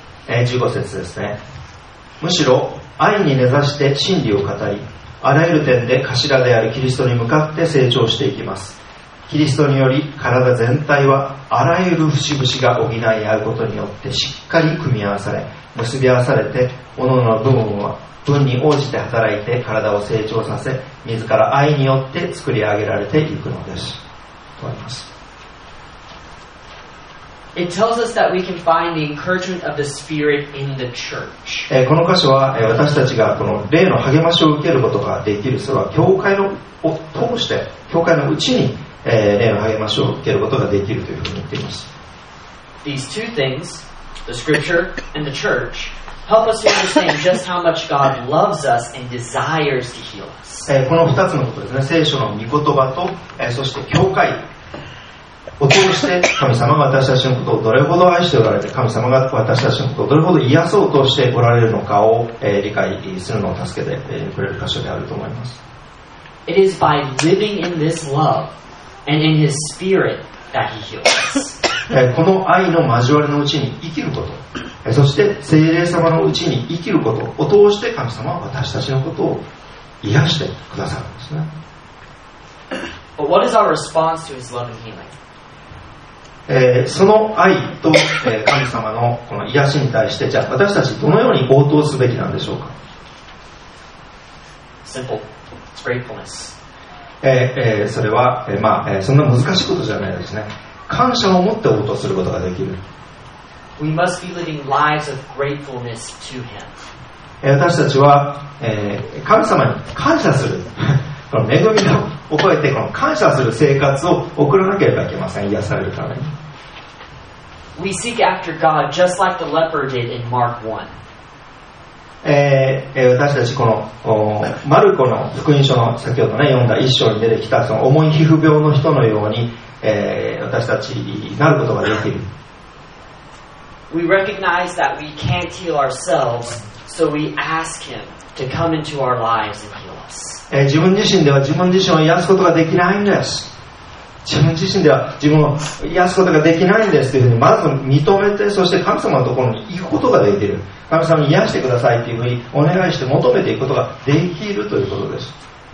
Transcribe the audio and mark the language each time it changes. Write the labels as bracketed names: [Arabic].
[Japanese] 15節ですね。むしろ愛に根ざして真理を語り、あらゆる点で頭であるキリストに向かって成長していきます。キリストにより体全体はあらゆる節々が補い合うことによってしっかり組み合わされ、結び合わされて、各々の部分は分に応じて働いて体を成長させ、自ら愛によって作り上げられていくのです。 [English] It tells us that we can find the encouragement of the Spirit in the church. [Japanese] この箇所は私たちがこの霊の励ましを受けることができる、それは教会のを通して教会のうちに霊の励ましを受けることができるというふうに言っています。 [English] These two things, the Scripture and the church. Help us to understand just how much God loves us and desires to heal us. [Japanese] この2つのことですね。聖書の御言葉と、そして教会を通して神様が私たちのことをどれほど愛しておられて、神様が私たちのことをどれほど癒そうとしておられるのかを、理解するのを助けてくれる箇所であると思います。 [English] It is by living in this love and in His Spirit that He heals us. [Japanese] この愛の交わりのうちに生きること、そして聖霊様のうちに生きることを通して神様は私たちのことを癒してくださるんですね。 [English] But what is our response to his love and healing? [Japanese] その愛と神様のこの癒しに対してじゃあ私たちどのように応答すべきなんでしょうか。 [English] Simple. It's gratefulness. [Japanese] それは、まあそんな難しいことじゃないですね。感謝を持って応答することができる。 [English] We must be living lives of gratefulness to Him. [Japanese] 私たちは、神様に感謝するこの恵みを覚えてこの感謝する生活を送らなければいけません。癒されるために。 [English] We seek after God just like the leper did in Mark 1. [Japanese] 私たちこのマルコの福音書の先ほどね読んだ一章に出てきたその重い皮膚病の人のように、私たちになることができる。 [English] We recognize that we can't heal ourselves, so we ask Him to come into our lives and heal us. [Japanese] 自分自身では自分自身を癒すことができないんです。自分自身では自分を癒すことができないんですというふうにまず認めて、そして神様のところに行くことができる。神様に癒してくださいというふうにお願いして求めていくことができるということです。